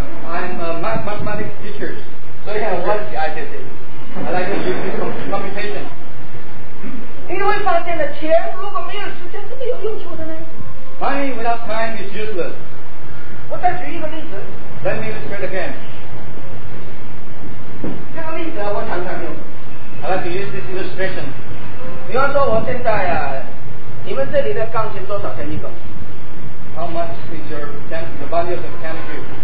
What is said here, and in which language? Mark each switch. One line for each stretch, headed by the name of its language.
English: I'm a mathematics teacher. So yeah, what's the idea? I like to use this computation.
Chinese: 因为发现了钱如果没有时间是没有用处的呢。
English: Money without time is useless.
Chinese: 我再举一个例子。
English: Let me illustrate again.
Chinese: 这个例子我常常用。
English: I like to use this illustration.
Chinese: 比方说我现在啊, 你们这里的钢琴多少钱一个?
English: How much is your the value of the piano here?